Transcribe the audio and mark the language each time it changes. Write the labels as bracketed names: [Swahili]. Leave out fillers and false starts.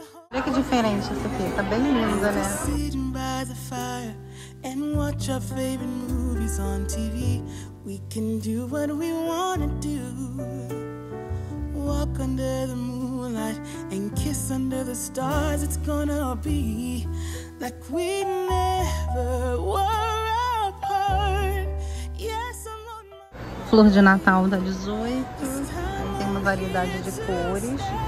[Portuguese] Olha que diferente isso aqui, tá bem linda, né? [English] Sitting by the fire and watch our favorite movies on TV. We can do what we wanna do. Walk under the moonlight and kiss under the stars. It's gonna be like we never were apart. Yes, I'm on my... [Portuguese] Flor de Natal da 18. Tem uma variedade de cores.